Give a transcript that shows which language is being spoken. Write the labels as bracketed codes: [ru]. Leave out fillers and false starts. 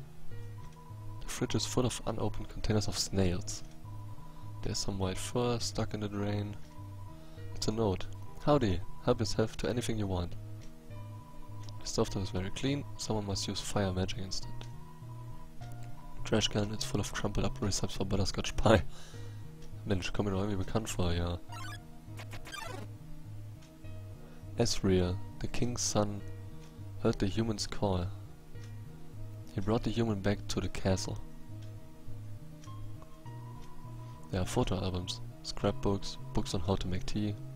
[en] The fridge is full of unopened containers of snails. There's some white fur stuck in the drain. It's a note. Howdy, help yourself to anything you want. The stuff that was very clean, someone must use fire magic instead. Trash can, it's full of crumpled up recipes for butterscotch pie. [de] Mensch, komm mir doch irgendwie bekannt vor, ja. [en] Asriel, the king's son, heard the human's call. He brought the human back to the castle. There are photo albums, scrapbooks, books on how to make tea.